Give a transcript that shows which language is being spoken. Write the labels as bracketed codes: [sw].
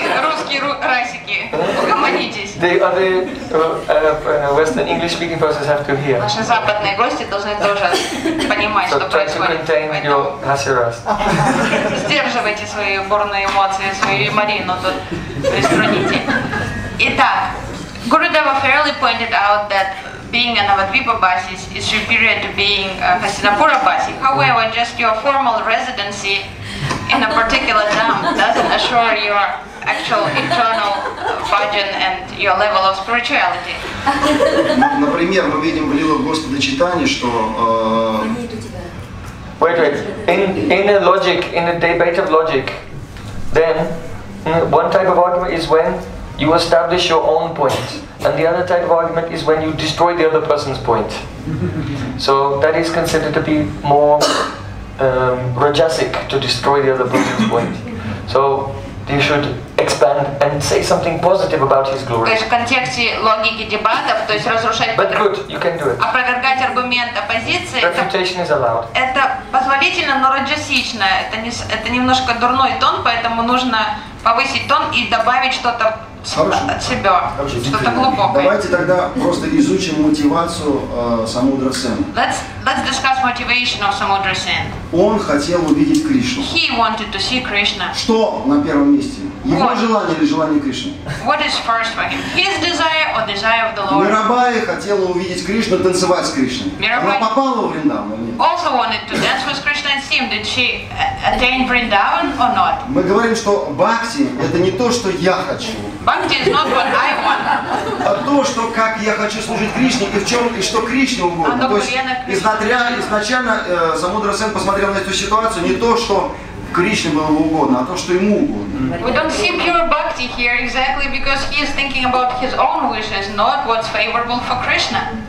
[ru] Русские расики, угомонитесь. [en] The other Western English speaking persons have to hear. [ru] Наши западные гости должны тоже понимать, что происходит. [en] So try to contain your Hasi Rust. [ru] Сдерживайте свои бурные эмоции, свою марину тут приструните. Итак, [en] Гурудева fairly pointed out that being a Navadvipa Basi is superior to being a Hastinapura Basi. However, just your formal residency in a particular dham doesn't assure your actual internal bhajan and your level of spirituality. [ru] Например, мы видим в лилах Господа Чайтаньи, что... [en] Wait. In a logic, in a debate of logic, then one type of argument is when you establish your own point. And the other type of argument is when you destroy the other person's point. So that is considered to be more rajasic, to destroy the other person's point. So you should expand and say something positive about his glory. [ru] То есть в контексте логики дебатов, то есть разрушать... [en] But good, you can do it. [ru] Опровергать аргумент оппозиции... [en] Refutation is allowed. [ru] Это позволительно, но раджасично. Это немножко дурной тон, поэтому нужно повысить тон и добавить что-то... Давайте тогда просто изучим мотивацию Самудрасена. [en] Let's discuss motivation of Samudrasena. [ru] Он хотел увидеть Кришну. [en] He wanted to see Krishna. [ru] Что на первом месте? Его желание или желание Кришны? [en] What is first for him? His desire or desire of the Lord? [ru] Мирабая хотела увидеть Кришну, танцевать с Кришной. Мирабая попала в Вриндаван. [en] Also wanted to dance with Krishna and see him. Did she attain Vrindavan or not? [ru] Мы говорим, что бхакти это не то, что я хочу. [en] Bhakti is not what I want. [ru] А то, что как я хочу служить Кришне и в чем и что Кришне угодно. То есть изначально Самудрасен посмотрел на эту ситуацию не то, что Кришне было бы угодно, а то, что ему угодно. [en] We don't see pure bhakti here exactly because he is thinking about his own wishes, not what's favorable for Krishna.